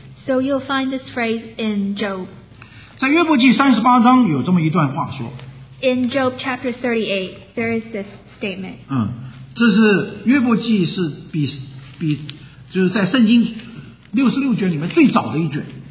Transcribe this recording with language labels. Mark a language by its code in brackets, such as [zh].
[en] So you'll find this phrase in Job. [zh] 在约伯记38章有这么一段话说。 [en] In Job chapter 38, there is this statement. [zh] 这是约伯记是比就是在圣经66卷里面最早的一卷。